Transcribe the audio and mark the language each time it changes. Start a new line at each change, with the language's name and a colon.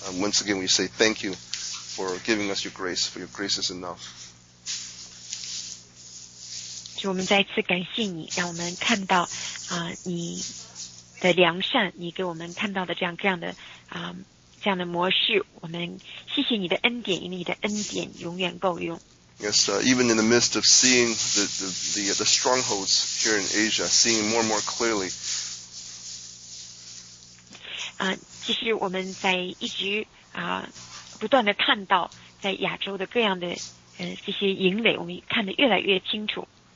English: Once again, we say thank you for giving us your grace, for your grace is enough.
Chinese: 主，我们再次感谢你，让我们看到你的良善，你给我们看到的这样的这样的模式，我们谢谢你的恩典，因为你的恩典永远够用。
English: Yes, even in the midst of seeing the strongholds here in Asia, seeing more and more clearly.
Chinese: 其实我们在一直不断的看到在亚洲的各样的这些营垒，我们看得越来越清楚。